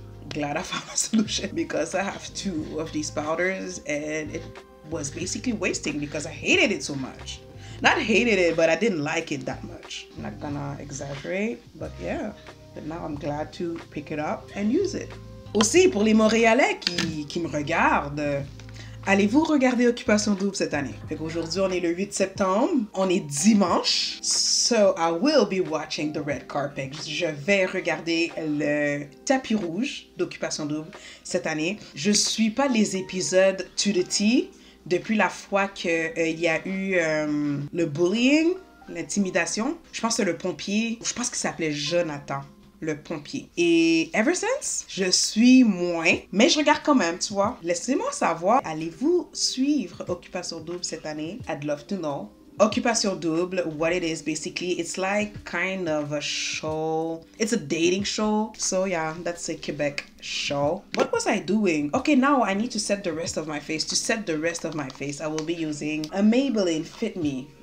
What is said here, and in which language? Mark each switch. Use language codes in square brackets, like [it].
[en] Glad I found a solution, because I have two of these powders and it was basically wasting because I hated it so much. Not hated it, but I didn't like it that much. I'm not gonna exaggerate, but yeah. But now I'm glad to pick it up and use it. [fr] Aussi, pour les Montréalais qui me regardent, allez-vous regarder Occupation Double cette année? Fait qu'aujourd'hui, on est le 8 septembre. On est dimanche. [en] So, I will be watching the red carpet. [fr] Je vais regarder le tapis rouge d'Occupation Double cette année. Je ne suis pas les épisodes [en] to the T [fr] depuis la fois qu'il y a eu le bullying l'intimidation. Je pense que c'est le pompier. Je pense qu'il s'appelait Jonathan, le pompier. Et [en] ever since, [fr] je suis moins. Mais je regarde quand même, tu vois. Laissez-moi savoir, allez-vous suivre Occupation Double cette année? [en] I'd love to know. Occupation Double, what it is basically, it's like kind of a show. It's a dating show. So yeah, that's a Quebec show. What was I doing? Okay, now I need to set the rest of my face. To set the rest of my face, I will be using a Maybelline Fit Me.